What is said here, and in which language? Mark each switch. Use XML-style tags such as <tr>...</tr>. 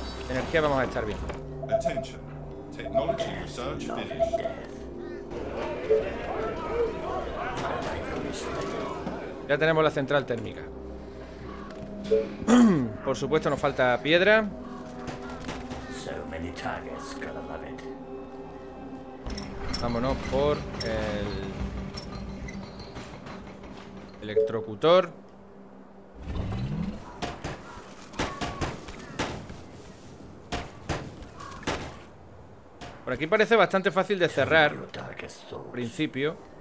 <es>Energía, vamos a estar bien.</es> <en>Attention. Technology research finished.</en> <es>Ya tenemos la central térmica. Por supuesto, nos falta piedra.</es> <en>So many targets, gotta love it.</en> <es>Vámonos por el electrocutor. Por aquí parece bastante fácil de cerrar. Principio.</es>